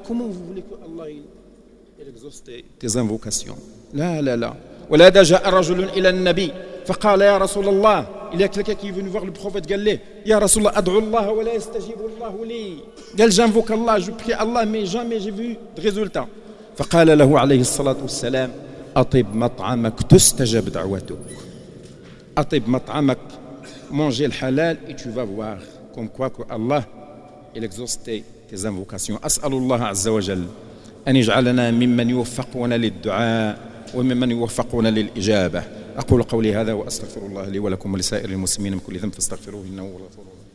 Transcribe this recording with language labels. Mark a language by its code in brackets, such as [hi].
[fr] Comment vous voulez que Allah il exauce tes invocations? Là [ar] ولا جاء رجل الى النبي فقال يا رسول الله, [fr] il y a quelqu'un qui est venu voir le prophète, [ar] قال له يا رسول الله ادعو الله ولا يستجيب الله لي, قال [fr] j'invoque Allah, je prie Allah mais jamais j'ai vu de résultat. [ar] فقال له عليه الصلاة والسلام أطيب مطعمك تستجب دعوتك. أطيب مطعمك, مانجي الحلال [fr] et tu vas voir comme quoi que Allah il exauce tes invocations. [ar] أسأل الله عز وجل أن يجعلنا ممن يوفقون للدعاء وممن يوفقون للإجابة. أقول قولي هذا وأستغفر الله لي ولكم ولسائر المسلمين من كل ذنب فاستغفروه إنه هو الغفور.